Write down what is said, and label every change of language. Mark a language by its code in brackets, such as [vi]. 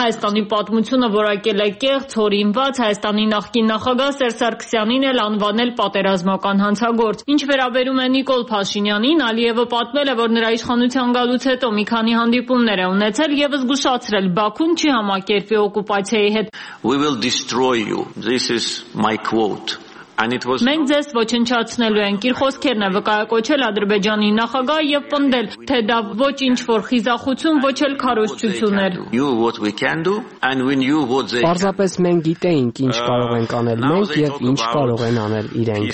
[hy] Հայաստանի պատմությունը որակել է կեղծ, հորինված, Հայաստանի նախկին նախագահ Սերսարքսյանին էլ անվանել պատերազմական հանցագործ։ Ինչ վերաբերում է Նիկոլ Փաշինյանին, Ալիևը պատմել է, որ նրա իշխանության գալուց հետո մի քանի հանդիպումներ է ունեցել և զգուշացրել, Բաքուն չի համակերպի օկուպացիայի հետ։ [en] We will destroy you. This is my quote. [hy] Մենք ձեզ ոչնչացնելու ենք, իր խոսքերն է վկայակոչել Ադրբեջանի նախագահը եւ պնդել, թե դա ոչ ինչ որ խիզախություն, ոչ էլ քարոզչություն էր։ Պարզապես մենք գիտենք ինչ կարող ենք անել մենք եւ ինչ կարող են անել իրենք։